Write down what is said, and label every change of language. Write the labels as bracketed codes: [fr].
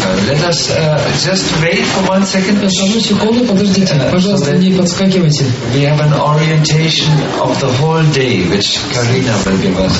[en] Let us just wait for one second. [ru] Одну секунду, подождите, пожалуйста, не подскакивайте. [en] We have an orientation of the whole day, which Karina will give us.